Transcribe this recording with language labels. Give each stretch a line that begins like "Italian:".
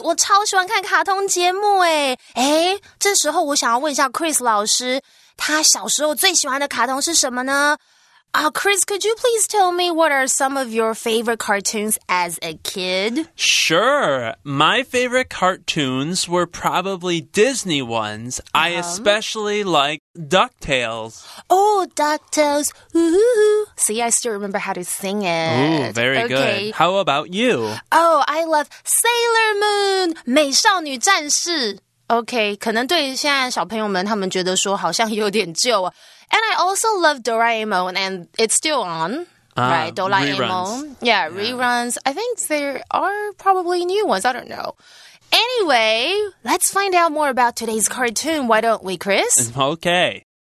Chinese: 我超喜欢看卡通节目耶。诶，这时候我想要问一下 Chris 老师，他小时候最喜欢的卡通是什么呢？
English: Chris, could you please tell me what are some of your favorite cartoons as a kid? Sure. My favorite cartoons were probably Disney ones. Uh-huh. I especially like DuckTales. Oh, DuckTales. Ooh. See, I still remember how to sing it. Ooh, very okay. good. How about you? Oh, I love Sailor Moon,
Chinese: 美少女战士。 OK, 可能对现在小朋友们他们觉得说好像有点旧啊。
English: And I also love Doraemon, and it's still on, right? Doraemon. Yeah, reruns. I think there are probably new ones. I don't know. Anyway, let's find out more about today's cartoon, why don't we, Chris? Okay.